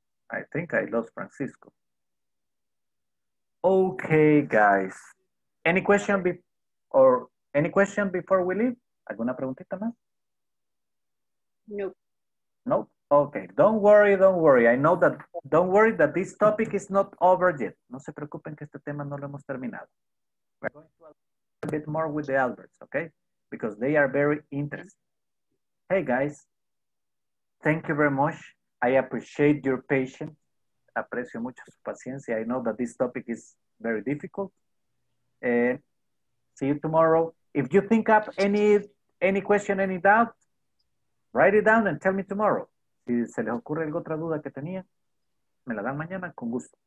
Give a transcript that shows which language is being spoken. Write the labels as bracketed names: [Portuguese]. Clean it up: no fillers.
[English] I think I lost Francisco. Okay, guys. Any question before we leave? [Spanish] ¿Alguna preguntita más? [English] Nope. Nope? Okay. Don't worry. Don't worry that this topic is not over yet. [Spanish] No se preocupen que este tema no lo hemos terminado. [English] We're going to a bit more with the adverbs, okay? Because they are very interesting. Hey, guys. Thank you very much. I appreciate your patience. [Spanish] Aprecio mucho su paciencia. [English] I know that this topic is very difficult. See you tomorrow. If you think up any question, any doubt, write it down and tell me tomorrow. [Spanish] Si se les ocurre alguna otra duda que tenía, me la dan mañana con gusto.